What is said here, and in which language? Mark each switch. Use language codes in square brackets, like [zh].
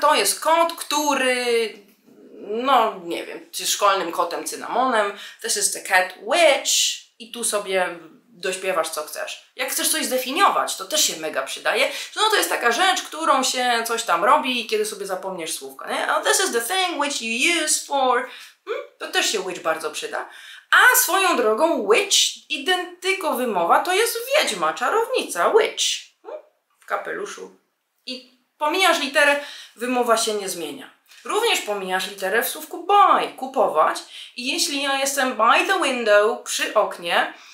[pl] To jest kot, który. No, nie wiem, czy szkolnym kotem cynamonem, [en] this is the cat witch [pl] i tu sobie dośpiewasz co chcesz. Jak chcesz coś zdefiniować, to też się mega przydaje, że no to jest taka rzecz, którą się coś tam robi, kiedy sobie zapomniesz słówka, nie? [en] Oh, this is the thing which you use for. [pl] To też się witch bardzo przyda. A swoją drogą witch, identyko wymowa, to jest wiedźma, czarownica, witch. W kapeluszu. I pomijasz literę, wymowa się nie zmienia. Również pomijasz literę w słówku buy, kupować. I jeśli ja jestem [en] by the window, [pl] przy oknie,